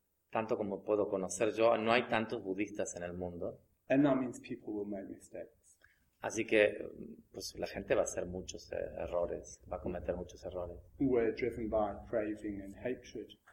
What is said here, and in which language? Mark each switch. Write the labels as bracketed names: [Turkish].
[Spanish] Tanto como puedo conocer yo, no hay tantos budistas en el mundo. [English] And that means people will make mistakes. [Spanish] Así que, pues la gente va a hacer muchos errores, va a cometer muchos errores. [English] We're driven by craving and hatred.